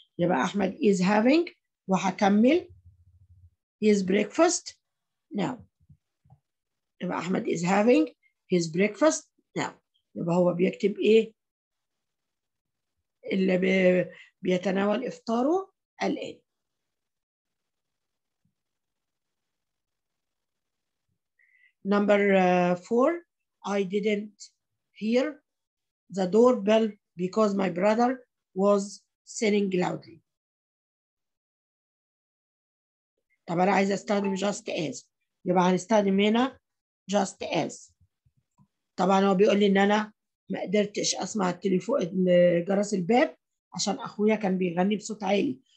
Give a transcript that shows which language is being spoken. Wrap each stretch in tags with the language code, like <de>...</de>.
<en>يبقى أحمد is having وحكمل his breakfast now. يبقى أحمد is having his breakfast now.</en> <ar>يبقى هو بيكتب إيه؟ اللي بيتناول إفطاره الآن.</ar> <en>Number four, I didn't hear the doorbell because my brother was singing loudly.</en> <ar>طب أنا عايز أستخدم just as. يبقى هنستخدم هنا just as. طبعا هو بيقول لي إن أنا ما قدرتش أسمع التليفون جرس الباب عشان أخويا كان بيغني بصوت عالي.</ar>